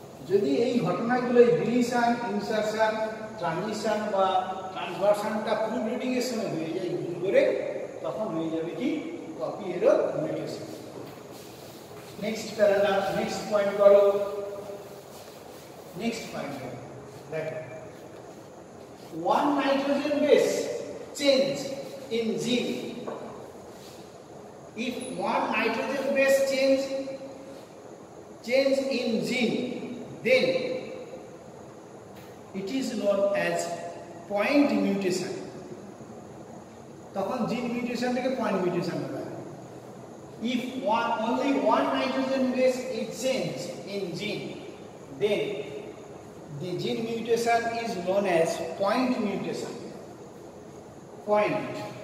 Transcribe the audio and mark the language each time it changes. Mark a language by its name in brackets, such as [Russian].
[Bangla] যদি এই ঘটনাগুলো ডিলিশন ইনসারশন ট্রানজিশন বা ট্রান্সভার্সনটা প্রুফ রিডিং এর সময় হয়ে যায় ভুল করে তখন হয়ে যাবে কি copy error mutation. Next paragraph next point করো নেক্সট পয়েন্ট করো দেখো [English] One nitrogen base change in gene. If one nitrogen base change in gene, then it is known as point mutation. [Bangla] তখন জিন মিউটেশন থেকে পয়েন্ট মিউটেশন হবে। [English] If one only one nitrogen base is changed in gene, then the gene mutation is known as point mutation. Point.